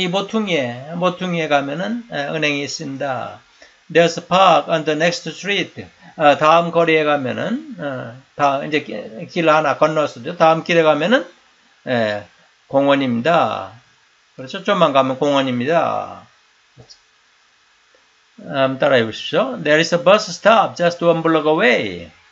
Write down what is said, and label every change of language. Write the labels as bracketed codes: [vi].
[ko] 이 모퉁이에 가면은 은행이 있습니다. [en] There is a park on the next street. [ko] 다음 거리에 가면은, 이제 길 하나 건너서죠. 다음 길에 가면은, 공원입니다. 그렇죠. 좀만 가면 공원입니다. 한번 따라해 보십시오. [en] There is a bus stop just one block away.